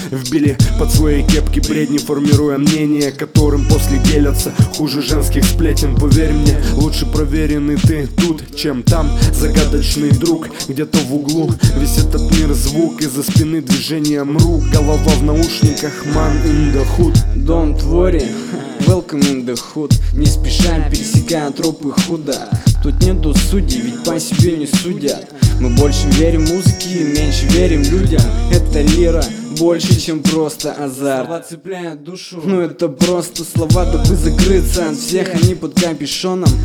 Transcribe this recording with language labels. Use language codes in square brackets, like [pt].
[ru] Вбили под свои кепки бредни, формируя мнение, которым после делятся хуже женских сплетен. Поверь мне, лучше проверенный ты тут, чем там. Загадочный друг, где-то в углу весь этот мир звук. Из-за спины движением рук, голова в наушниках, [en] man in the hood. Don't worry, welcome in the hood. [ru] Не спеша пересекая тропы худо. Тут нету судей, ведь по себе не судят. Мы больше верим музыке и меньше верим людям. Это лира, больше чем просто азарт. Слова цепляют душу, ну это просто слова, дабы закрыться от всех, они под капюшоном.